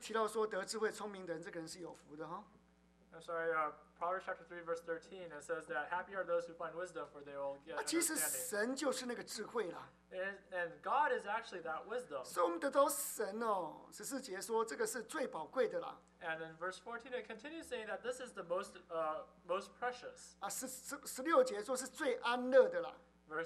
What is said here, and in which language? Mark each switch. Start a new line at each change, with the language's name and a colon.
Chinese: 3章13节就提到说得智慧聪明的人，这个人是有福的哈。
English: I'm sorry, Proverbs chapter 3, verse 13, it says that happy are those who find wisdom, for they will get understanding.
Chinese: 其实神就是那个智慧了。
English: And God is actually that wisdom.
Chinese: 所以我们得到神哦，14节说这个是最宝贵的了。
English: And in verse 14, it continues saying that this is the most precious.
Chinese: 16节说是最安乐的了。
English: Verse